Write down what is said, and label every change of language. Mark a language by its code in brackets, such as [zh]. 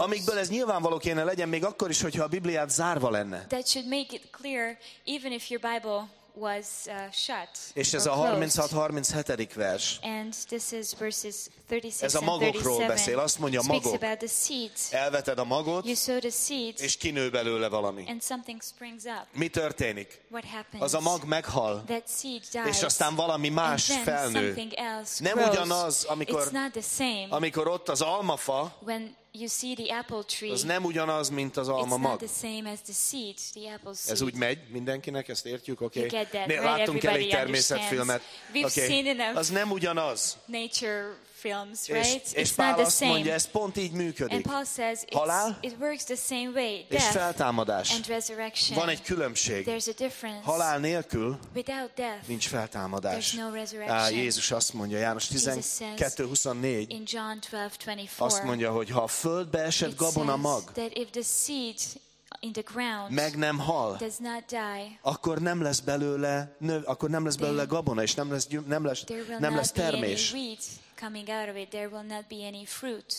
[hu] amikből ez nyilvánvaló kéne legyen, még akkor is, hogyha a Bibliát zárva lenne. [en] That should make it clear, even if your Bible was shut. [hu] És ez a 36-37. Vers. [en] And this is verses 36 and 37. [hu] Ez a magokról beszél. Azt mondja, magok. [en] Speaks about the seeds. [hu] Elveted a magot. [en] You sow the seeds. [hu] És kinő belőle valami. [en] And something springs up. [hu] Mi történik? [en] What happens? [hu] Az a mag meghal. [en] That seed dies. [hu] És aztán valami más [en] and then [hu] felnő. [en] Something else grows. [hu] Nem ugyanaz, amikor. [en] It's not the same. [hu] Amikor ott az almafa. [en] When you see the apple tree. [hu] Ez nem ugyanaz, mint az alma mag. [en] It's not the same as the seed, the apple seed. [hu] Ez úgy megy mindenkinek, ezt értjük, oké? [en] Okay. You get that, right? Everybody understands. Filmet. We've okay. Seen enough. [hu] Az nem ugyanaz. [en] Nature films, right? [hu] És Pál azt mondja, ez pont így működik. [en] And Paul says, it works the same way. [hu] És feltámadás. [en] And resurrection. [hu] Van egy különbség. [en] There's a difference. [hu] Halál nélkül. [en] Without death. [hu] Nincs feltámadás. [en] There's no resurrection. [hu] Jézus azt mondja, János 12:24. [en] In John 12:24. [hu] Azt mondja, hogy ha földbe esett gabona mag, [en] that if the seed in the ground [hu] meg nem hal, [en] does not die, [hu] akkor nem lesz belőle, akkor nem lesz belőle gabona, és nem lesz termés. [en] Coming out of it, there will not be any fruit.